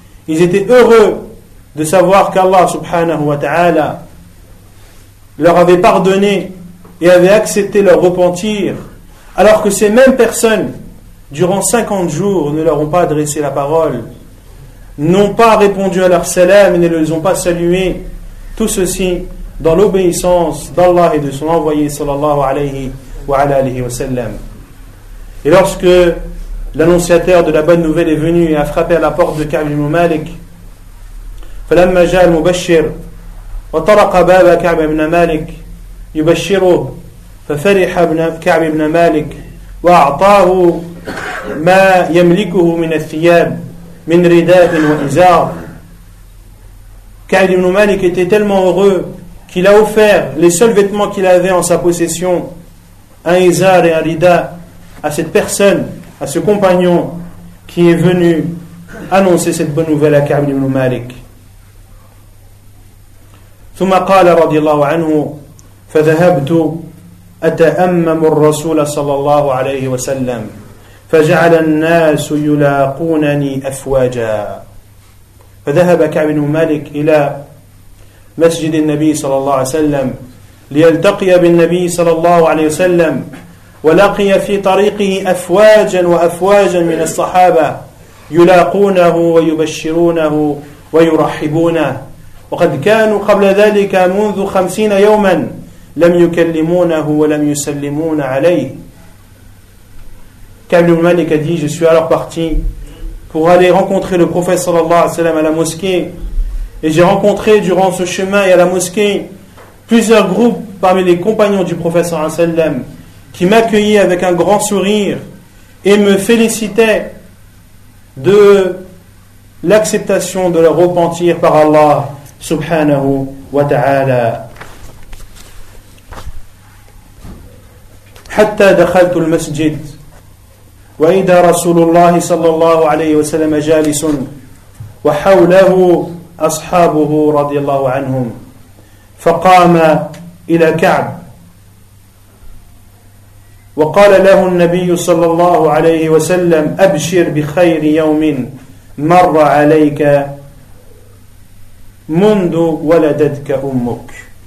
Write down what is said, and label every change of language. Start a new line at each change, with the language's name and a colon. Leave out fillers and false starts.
French: Ils étaient heureux de savoir qu'Allah subhanahu wa ta'ala leur avait pardonné et avait accepté leur repentir, alors que ces mêmes personnes, durant 50 jours, ne leur ont pas adressé la parole, n'ont pas répondu à leur salam et ne les ont pas salués. Tout ceci dans l'obéissance d'Allah et de son envoyé sallallahu alayhi wa alayhi wa sallam. Et lorsque l'annonciateur de la bonne nouvelle est venu et a frappé à la porte de Ka'b ibn Malik,
Arabic: فلما جاء المبشر وطرق باب كعب بن مالك يبشره ففرح ابن كعب بن مالك وأعطاه ما يملكه من الثياب من رداء وإزار.
French: كعب بن مالك était tellement heureux qu'il a offert les seuls vêtements qu'il avait en sa possession, un izar et un rida, à cette personne, à ce compagnon qui est venu annoncer cette bonne nouvelle à كعب بن مالك.
Arabic: ثم قال رضي الله عنه فذهبت أتأمم الرسول صلى الله عليه وسلم فجعل الناس يلاقونني أفواجا. فذهب كعب بن مالك إلى مسجد النبي صلى الله عليه وسلم ليلتقي بالنبي صلى الله عليه وسلم ولقي في طريقه أفواجا وأفواجا من الصحابة يلاقونه ويبشرونه ويرحبونه. وقد كانوا قبل ذلك منذ 50 يوما لم يكلمونه ولم يسلمون عليه.
French: كعب بن مالك a dit, je suis alors parti pour aller rencontrer le prophète sallallahu alayhi wa sallam à la mosquée, et j'ai rencontré durant ce chemin et à la mosquée plusieurs groupes parmi les compagnons du prophète sallallahu alayhi wa sallam qui m'accueillaient avec un grand sourire et me félicitaient de l'acceptation de leur repentir par Allah subhanahu wa ta'ala.
Arabic: حتى دخلت المسجد وإذا رسول الله صلى الله عليه وسلم جالس وحوله أصحابه رضي الله عنهم فقام إلى كعب وقال له النبي صلى الله عليه وسلم أبشر بخير يوم مر عليك منذ ولدتك أمك.